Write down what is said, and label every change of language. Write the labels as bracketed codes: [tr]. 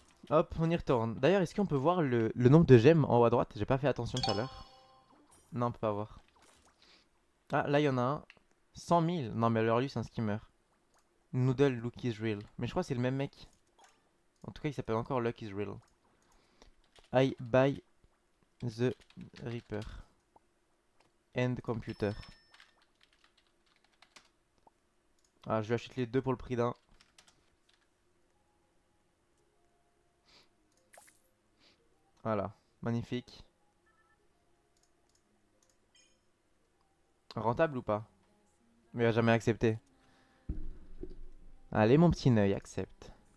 [fr] Hop, on y retourne. D'ailleurs, est-ce qu'on peut voir le nombre de gemmes en haut à droite? J'ai pas fait attention tout à l'heure. Non, on peut pas voir. Ah, là, il y en a un. 100 000. Non, mais alors lui, c'est un skimmer. Noodle, Luck is real. Mais je crois que c'est le même mec. En tout cas, il s'appelle encore Luck is real. [en] I buy the Reaper and computer. [fr] Ah, je vais acheter les deux pour le prix d'un. Voilà, magnifique. Rentable ou pas? Mais il va jamais accepter. Allez, mon petit œil, accepte.